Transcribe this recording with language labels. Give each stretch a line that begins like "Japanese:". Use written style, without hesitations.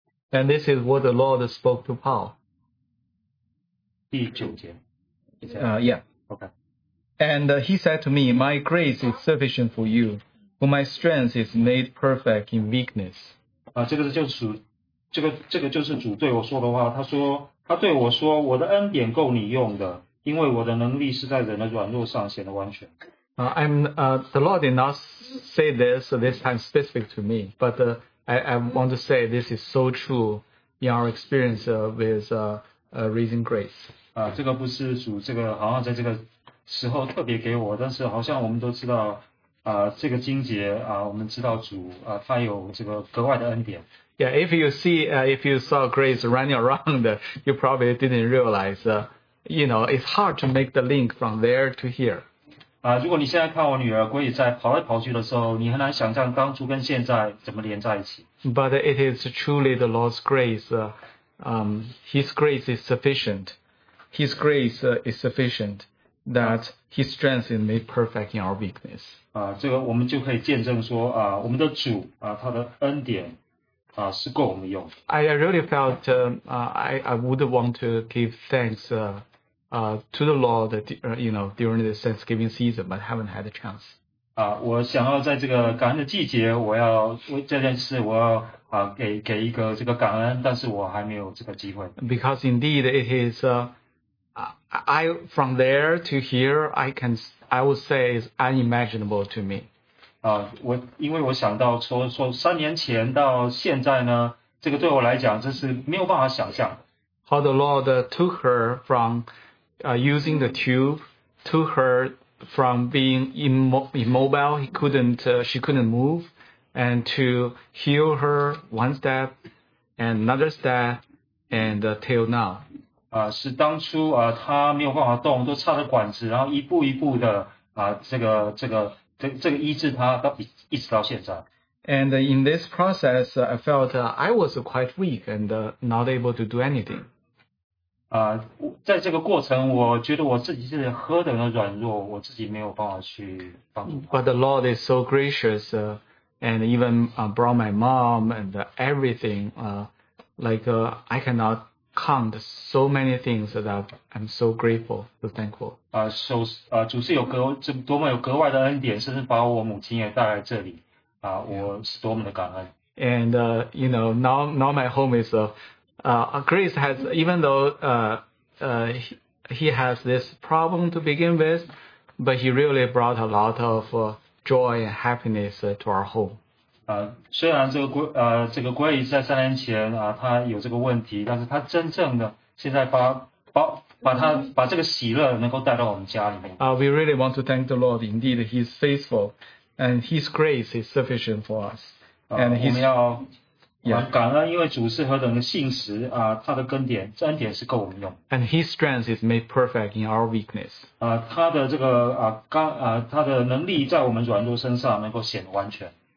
English: And this is what the Lord spoke to Paul.
Chinese: 第九节。
English: Okay. And he said to me, My grace is sufficient for you, for my strength is made perfect in weakness.
Chinese: 这个就是主对我说的话，他对我说，我的恩典够你用的，因为我的能力是在人的软弱上显得完全。
English: The Lord did not say this time specific to me, but I want to say this is so true in our experience with raising grace.
Chinese: 这个不是主这个好像在这个时候特别给我，但是好像我们都知道这个经节，我们知道主，他有这个格外的恩典。
English: Yeah, if you saw Grace running around, you probably didn't realize, it's hard to make the link from there to here.
Chinese: 如果你现在看我女儿鬼在跑来跑去的时候，你很难想象当初跟现在怎么连在一起。
English: But it is truly the Lord's grace. His grace is sufficient. His grace is sufficient that His strength is made perfect in our weakness.
Chinese: 这个我们就可以见证说我们的主他的恩典是够我们用。
English: I really felt I would want to give thanks to the Lord, you know, during the Thanksgiving season, but haven't had a chance.
Chinese: 我想要在这个感恩的季节，我要为这件事，我要给一个这个感恩，但是我还没有这个机会。
English: Because indeed it is, I from there to here, I would say is unimaginable to me.
Chinese: 因为我想到说三年前到现在呢，这个对我来讲，这是没有办法想象。
English: How the Lord took her from using the tube to her from being immobile, she couldn't move, and to heal her one step and another step and till now.
Chinese: 是当初她没有办法动，都插着管子，然后一步一步的这个医治她到一直到现在。
English: And in this process, I felt I was quite weak and not able to do anything.
Chinese: 在这个过程，我觉得我自己是何等的软弱，我自己没有办法去帮助。
English: But the Lord is so gracious, and even brought my mom and everything. I cannot count so many things that I'm so grateful, so thankful.
Chinese: 主是有多么有格外的恩典，甚至把我母亲也带来这里。我是多么的感恩。
English: And you know, now my home is Grace has, even though he has this problem to begin with, but he really brought a lot of joy and happiness to our home.
Chinese: 虽然这个 Grace 在三年前他有这个问题，但是他真正的现在把这个喜乐能够带到我们家里面。
English: We really want to thank the Lord. Indeed, He's faithful, and His grace is sufficient for us. And He's
Chinese: 感恩，因为主是何等的信实他的恩典，这恩典是够我们用。
English: And His strength is made perfect in our weakness.
Chinese: 他的这个他的能力在我们软弱身上能够显得完全。